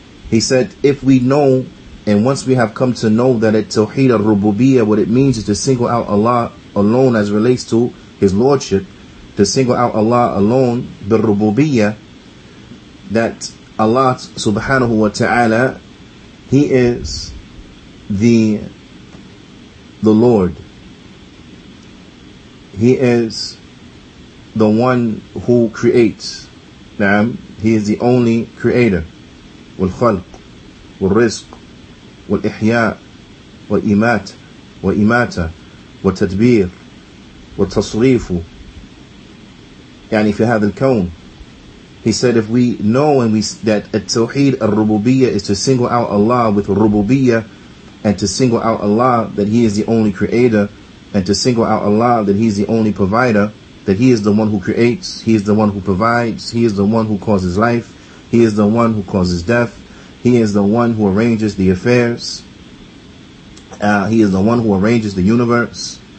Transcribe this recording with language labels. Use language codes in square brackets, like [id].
[en] He said, if we know, and once we have come to know that التَّوْحِيدَ الرُّبُوبِيَّةِ, what it means is to single out Allah alone as relates to his lordship, to single out Allah alone, بِالرُّبُوبِيَّةِ, that Allah subhanahu wa ta'ala, he is the Lord. He is the one who creates. Naam, he is the only creator. [ar] والخلق والرزق والإحياء والإمات وإماتة والتدبير والتصريف يعني في هذا الكون. [en] He said, if we know and we that التوحيد الربوبية is to single out Allah with ربوبية, and to single out Allah that he is the only creator, and to single out Allah that he is the only provider, that he is the one who creates, he is the one who provides, he is the one who causes life, he is the one who causes death, he is the one who arranges the affairs, he is the one who arranges the universe.